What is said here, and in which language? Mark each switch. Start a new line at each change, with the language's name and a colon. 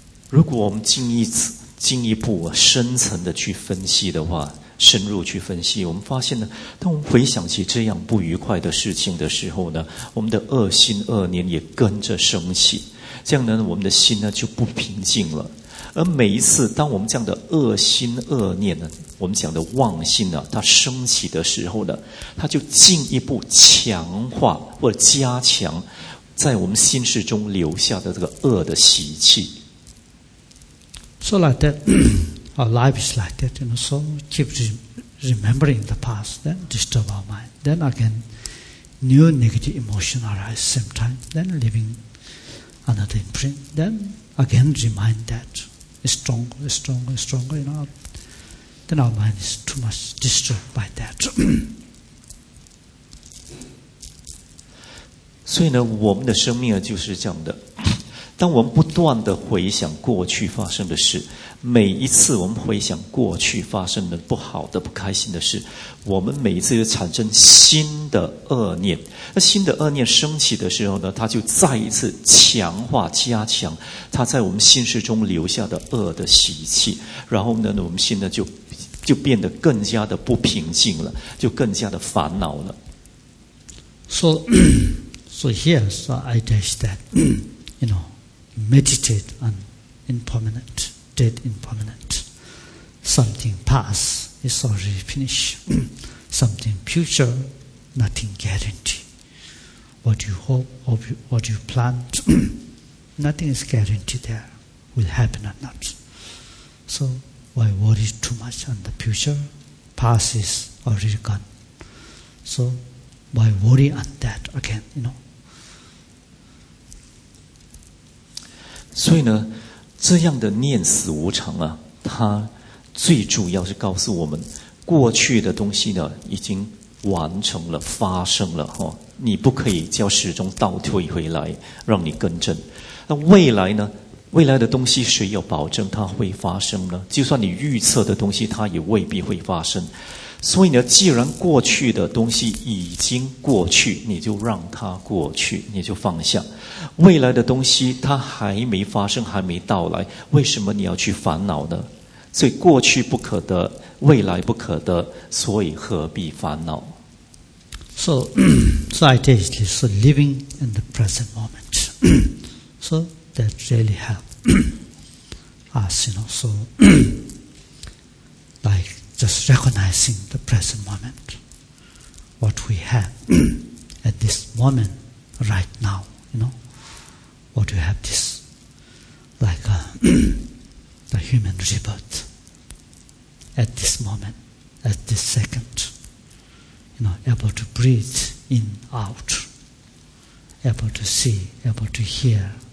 Chinese: 如果我们进一步深层的去分析的话，深入去分析，我们发现呢，当我们回想起这样不愉快的事情的时候呢，我们的恶心恶念也跟着升起，这样呢，我们的心呢就不平静了。而每一次当我们这样的恶心恶念呢，我们讲的妄心呢，它升起的时候呢，它就进一步强化或者加强在我们心事中留下的这个恶的习气。
English: So like that, our life is like that, you know, so keep remembering the past, then disturb our mind. Then again, new negative emotion arise same time, then leaving another imprint. Then again, remind that, stronger, you know, then our mind is too much disturbed by that.
Chinese: 所以呢，我们的生命就是这样的。当我们不断地回想过去发生的事，每一次我们回想过去发生的不好的、不开心的事，我们每一次就产生新的恶念。那新的恶念升起的时候呢，它就再一次强化、加强它在我们心事中留下的恶的习气。然后呢，我们心呢就变得更加的不平静了，就更加的烦恼了。
English: So here's the idea is that, you know. Meditate on impermanent, dead impermanent. Something past is already finished. Something future, nothing guaranteed. What you hope, what you plant, nothing is guaranteed there, will happen or not. So why worry too much on the future? Past is already gone. So why worry on that again, you know?
Chinese: 所以呢，这样的念死无常啊，它最主要是告诉我们，过去的东西呢已经完成了，发生了哈、哦，你不可以叫时钟倒退回来，让你更正。那未来呢？未来的东西谁有保证它会发生呢？就算你预测的东西，它也未必会发生。所以呢，既然过去的东西已经过去，你就让它过去，你就放下。未来的东西它还没发生，还没到来，为什么你要去烦恼呢？所以过去不可得，未来不可得，所以何必烦恼？
English: So ideally, so living in the present moment. So that really helps. us, you know, so like just recognizing the present moment, what we have at this moment, right now, you know, what you have this, like the human rebirth at this moment, at this second, you know, able to breathe in, out, able to see, able to hear,